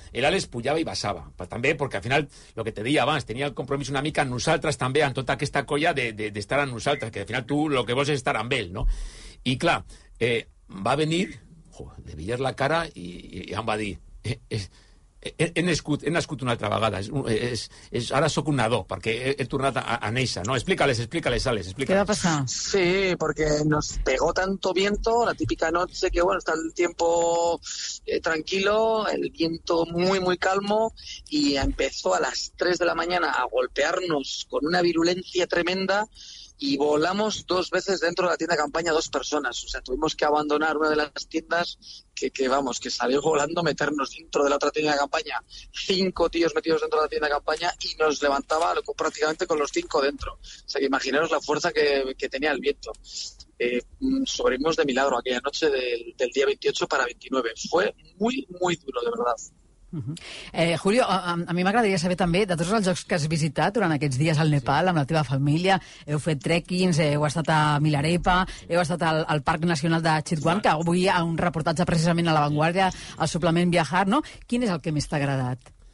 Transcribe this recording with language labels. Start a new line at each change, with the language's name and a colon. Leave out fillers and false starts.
Catalan: El Àlex pujava i baixava, també, perquè al final, lo que te deia abans, tenia el compromís una mica amb nosaltres també, amb tota aquesta colla de estar amb nosaltres, que al final tu lo que vols és estar amb ell, no? I clar, va venir, de Villar la cara, i em va dir... He nascut una altra vegada. Ara sóc un nadó, perquè he tornat a néixer. No? Explícales, Àlex. Què va passar?
Spanish: Sí, perquè nos pegó tanto viento, la típica noche, que bueno, está el tiempo tranquilo, el viento muy, muy calmo, y empezó a las 3 de la mañana a golpearnos con una virulencia tremenda, y volamos 2 veces dentro de la tienda de campaña 2 personas. O sea, tuvimos que abandonar una de las tiendas que salió volando, meternos dentro de la otra tienda de campaña. 5 tíos metidos dentro de la tienda de campaña y nos levantaba prácticamente con los 5 dentro. O sea, que imaginaros la fuerza que tenía el viento. Sobrevivimos de milagro aquella noche del día 28 para 29. Fue muy, muy duro, de verdad. Uh-huh.
Catalan: Julio, a mi m'agradaria saber també de tots els llocs que has visitat durant aquests dies al Nepal, sí, amb la teva família. Heu fet trekkings, heu estat a Milarepa, heu estat al Parc Nacional de Chitwan, que avui hi ha un reportatge precisament a La Vanguardia, al suplement Viajar, no? Quin és el que més t'ha agradat?